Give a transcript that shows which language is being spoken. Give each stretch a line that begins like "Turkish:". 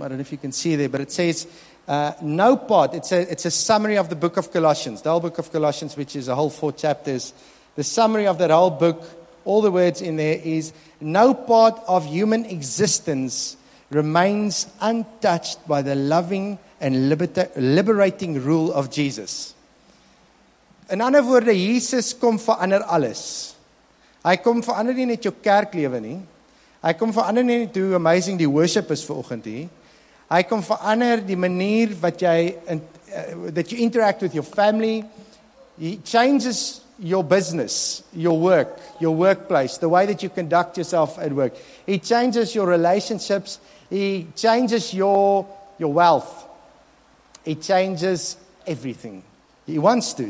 English: I don't know if you can see there, but it says, no part, it's a summary of the book of Colossians, the whole book of Colossians, which is a whole 4 chapters. The summary of that whole book, all the words in there is, no part of human existence remains untouched by the loving and liberating rule of Jesus. In other words,
Afrikaans: Jesus kom verander alles. Hy kom verander nie net jou kerklewe nie. Hy kom verander nie net hoe amazing die worship is vanoggend hier. Hy kom verander die manier wat jy
English: that you interact with your family. He changes your business, your work, your workplace, the way that you conduct yourself at work. He changes your relationships. He changes your wealth. He changes everything. He wants to.